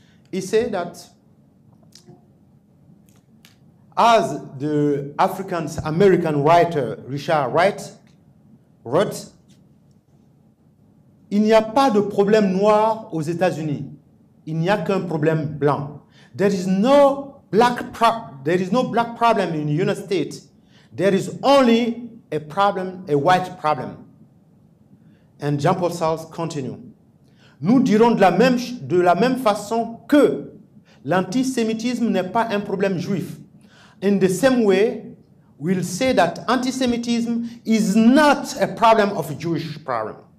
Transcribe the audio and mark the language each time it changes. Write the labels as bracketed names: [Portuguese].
[English] He said that as the African-American writer Richard Wright wrote, [French] il n'y a pas de problème noir aux États-Unis. Il n'y a qu'un problème blanc. [English] There is no black problem in the United States. There is only a problem, a white problem. And Jean-Paul Sartre continue. [French] Nous dirons de la même façon que l'antisémitisme n'est pas un problème juif. [English] In the same way, we'll say that antisemitism is not a problem of a Jewish problem.